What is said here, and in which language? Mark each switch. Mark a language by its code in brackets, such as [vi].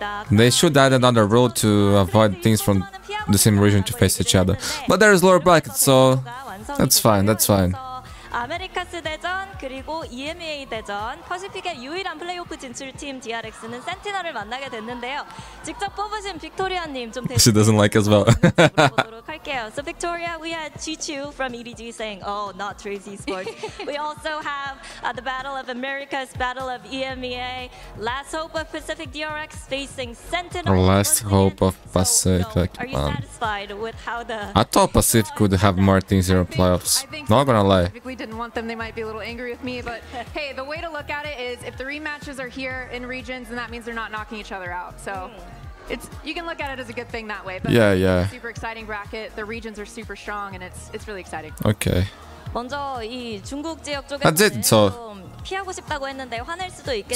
[en] They should add another rule to avoid things from the same region to face each other. But there is lower bracket, so that's fine. [ko] America's 대전 그리고 EMEA 대전 퍼시픽의 유일한 플레이오프 진출 팀 DRX는 센티널을 만나게 됐는데요. 직접 뽑으신 빅토리아님 좀 [en] She doesn't like as well. [ko] 물어보도록 할게요. [en] So Victoria, we had Chichu from EDG saying, "Oh, not Tracy Sports." We also have the Battle of America's Battle of EMEA, Last Hope of Pacific DRX facing Sentinel. Last Hope of Pacific. So, are you satisfied with how the I thought Pacific could have more things in the playoffs. Not gonna lie. We didn't want them, they might be a little angry with me, but hey, the way to look at it is if the rematches are here in regions, then that means they're not knocking each other out. So it's you can look at it as a good thing that way, but yeah. Super exciting bracket. The regions are super strong and it's really exciting. Okay. [ko] 먼저 이 중국 지역 쪽에서 좀 피하고 싶다고 했는데 화낼 수도 있겠지만